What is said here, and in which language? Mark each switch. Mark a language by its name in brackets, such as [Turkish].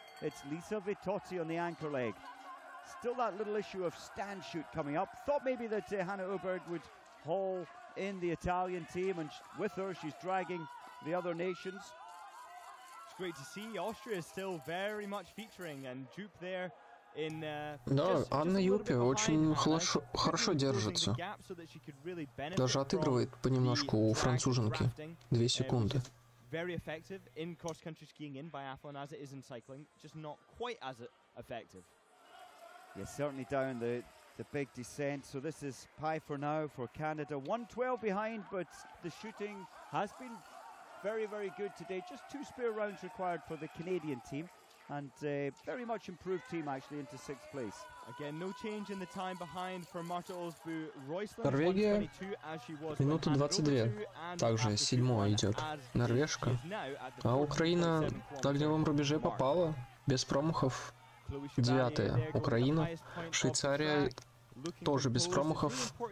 [English] It's Lisa Vitozzi on the anchor leg. Still that little issue of stand shoot coming up. Thought maybe that Hannah Oberg would haul in the Italian team, and with her she's dragging the other nations. It's great to see. Austria is still very much featuring, and Jupp there [Russian] Да, Анна Юпи очень хорошо держится. Даже отыгрывает понемножку у француженки. 2 секунды. [English] Very effective in cross-country skiing in biathlon as it is in cycling, just not quite as effective. Yes, certainly down the big descent. So this is pie for now for Canada. 1:12 behind, but the shooting has been very, very good today. Just 2 spare rounds required for the Canadian team, and a very much improved team actually into 6th place. Again, no change in the time behind for Marta Olsbu Roysland. [Russian] Норвегия, минута 22, также 7 идет. Норвежка. А Украина на огневом рубеже попала, без промахов. 9-я Украина. Швейцария тоже без промахов.